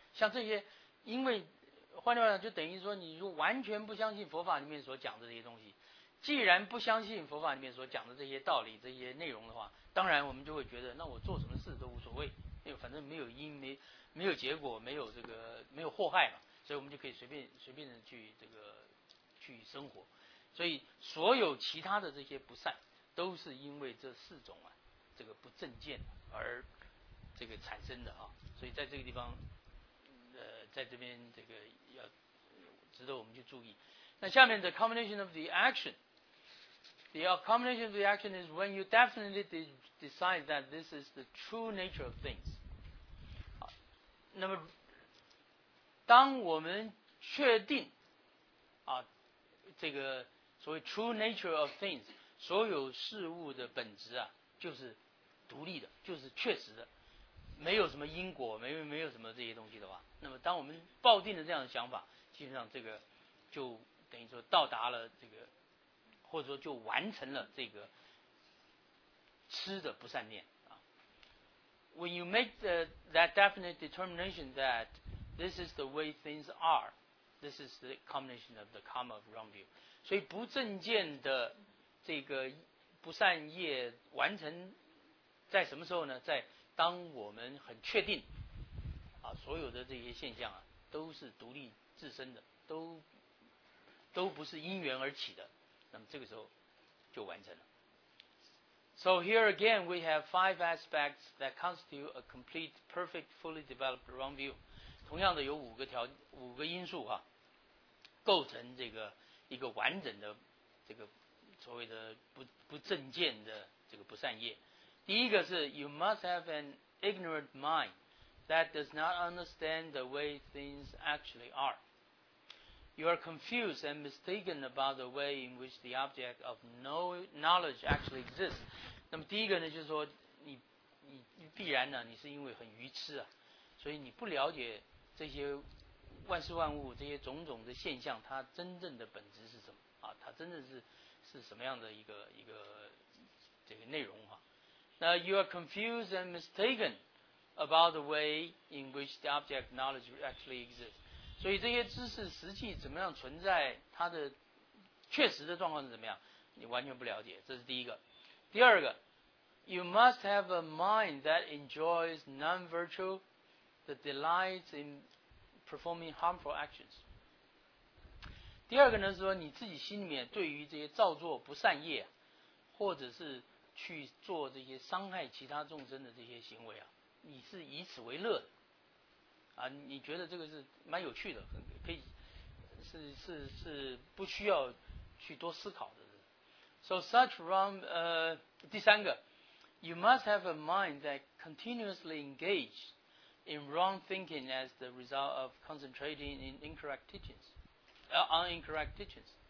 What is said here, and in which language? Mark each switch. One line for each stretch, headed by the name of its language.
Chinese: 像这些，因为换句话讲，就等于说你如果完全不相信佛法里面所讲的这些东西，既然不相信佛法里面所讲的这些道理这些内容的话，当然我们就会觉得那我做什么事都无所谓，因为反正没有因，没有结果，没有这个没有祸害嘛，所以我们就可以随便的去这个去生活。所以所有其他的这些不善都是因为这四种啊这个不正见而这个产生的啊。所以在这个地方在这边这个要值得我们去注意。那下面
English: the combination of the action, the combination of the action is when you definitely decide that this is the true nature of things.
Chinese: 好，那么当我们确定啊这个所谓
English: true nature of things,
Chinese: 所有事物的本质啊就是独立的，就是确实的，没有什么因果，没有什么这些东西的话，那么当我们抱定了这样的想法，基本上这个就等于说到达了这个，或者说就完成了这个痴的不善念啊。
English: When you make that definite determination that this is the way things are, this is the combination of the karma of wrong view.
Chinese: 所以不正见的这个不善业完成在什么时候呢？在当我们很确定啊，所有的这些现象啊都是独立自身的，都不是因缘而起的，那么这个时候就完成了。
English: So here again we have five aspects that constitute a complete, perfect, fully developed wrong view.
Chinese: 同样的有五个因素啊，构成这个一个完整的这个所谓的不正见的这个不善业。第一个是
English: you must have an ignorant mind that does not understand the way things actually are. You are confused and mistaken about the way in which the object of no knowledge actually exists.
Chinese: 那么第一个呢，就是说你必然呢，你是因为很愚痴啊，所以你不了解这些万事万物这些种种的现象，它真正的本质是什么啊？它真正是什么样的一个这个内容啊？
English: 那 you are confused and mistaken about the way in which the object knowledge actually exists.
Chinese: 所以这些知识实际怎么样存在，它的确实的状况是怎么样，你完全不了解，这是第一个。第二个
English: You must have a mind that enjoys non-virtual, the delights in performing harmful actions.
Chinese: 第二个呢，是说你自己心里面对于这些造作不善业，或者是去做这些伤害其他众生的这些行为啊，你是以此为乐的啊，你觉得这个是蛮有趣的，可以是不需要去多思考的。
English: So such wrong,
Chinese: 第三个
English: ，you must have a mind that continuously engaged in wrong thinking as the result of concentrating in incorrect teachings, on incorrect teachings.